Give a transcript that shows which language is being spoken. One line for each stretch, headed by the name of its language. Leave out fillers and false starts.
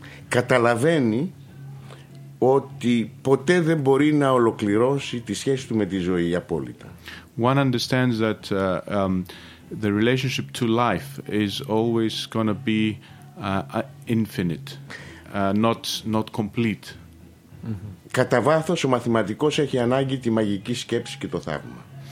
Greek: καταλαβαίνει ότι ποτέ δεν μπορεί να ολοκληρώσει τη σχέση του με τη ζωή απόλυτα.
English: One understands that the relationship to life is always going to be infinite, not complete. Mm-hmm.
Greek: Κατά βάθος ο μαθηματικός έχει ανάγκη τη μαγική σκέψη και το θαύμα.